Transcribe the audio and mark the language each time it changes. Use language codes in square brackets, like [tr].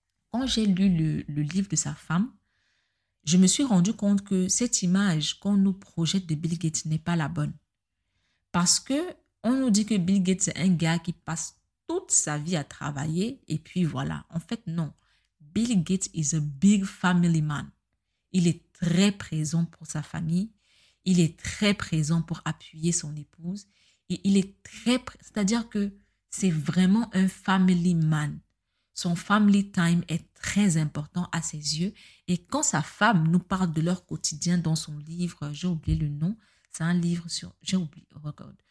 [fr] Quand j'ai lu le livre de sa femme, je me suis rendu compte que cette image qu'on nous projette de Bill Gates n'est pas la bonne. Parce qu'on nous dit que Bill Gates est un gars qui passe toute sa vie à travailler et puis voilà. En fait, non. [en] Bill Gates is a big family man. [fr] Il est très présent pour sa famille. Il est très présent pour appuyer son épouse. Et il est très présent. C'est-à-dire que c'est vraiment un family man. Son family time est très important à ses yeux. Et quand sa femme nous parle de leur quotidien dans son livre, j'ai oublié le nom, c'est un livre sur... J'ai oublié, regarde.